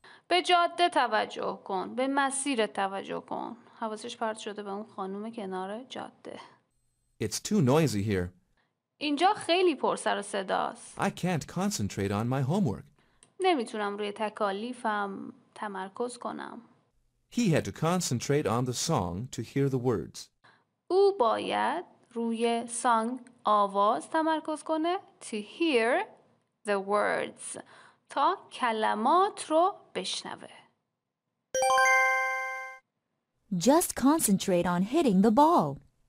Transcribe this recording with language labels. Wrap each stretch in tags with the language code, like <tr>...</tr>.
<fa>به جاده توجه کن. به مسیر توجه کن. حواسش پرت شده به اون خانوم کنار جاده.</fa> <en>It's too noisy here.</en> <fa>اینجا خیلی پر سر و صدا است.</fa> <en>I can't concentrate on my homework.</en> <fa>نمیتونم روی تکالیفم تمرکز کنم.</fa> <en>He had to concentrate on the song to hear the words.</en> <fa>او باید روی سانگ آواز تمرکز کنه.</fa> <en>To hear the words.</en> <fa>تا کلمات رو بشنوه.</fa> <en>Just concentrate on hitting the ball.</en>